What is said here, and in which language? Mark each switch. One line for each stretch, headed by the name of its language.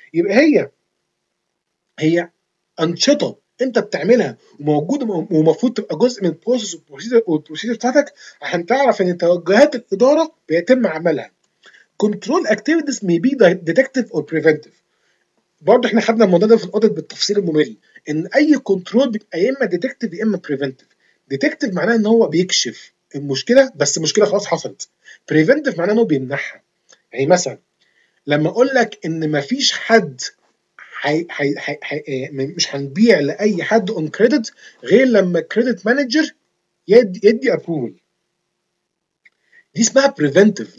Arabic: يبقى هي أنشطة أنت بتعملها وموجودة ومفروض تبقى جزء من البروسيس والبروسيجر بتاعتك عشان تعرف إن توجهات الإدارة بيتم عملها.
English: Control activities may be detective or preventive.
Arabic: برضه إحنا خدنا الموضوع ده في الأودت بالتفصيل الممل، إن أي كنترول بيبقى يا إما detective يا إما preventive. Detective معناه إن هو بيكشف المشكلة، بس المشكلة خلاص حصلت. Preventive معناه إن هو بيمنعها. يعني مثلا لما أقول لك إن مفيش حد حي حي حي مش هنبيع لاي حد اون كريدت غير لما كريدت مانجر يدي ابروفل، دي اسمها بريفنتيف.